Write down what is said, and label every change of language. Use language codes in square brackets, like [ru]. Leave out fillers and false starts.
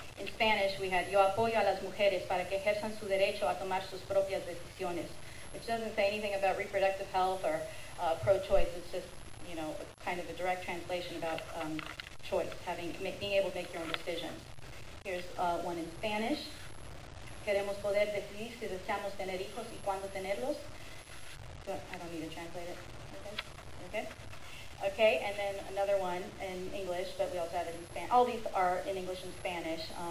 [en] In Spanish, we had, [es] yo apoyo a las mujeres para que ejerzan su derecho a tomar sus propias decisiones, [en] which doesn't say anything about reproductive health or pro-choice. It's just, you know, kind of a direct translation about choice, having being able to make your own decisions. Here's one in Spanish. [es] Queremos poder decidir si deseamos tener hijos y cuándo tenerlos. [en] I don't need to translate it. Okay. Okay, and then another one in English, but we also have it in Spanish. All these are in English and Spanish.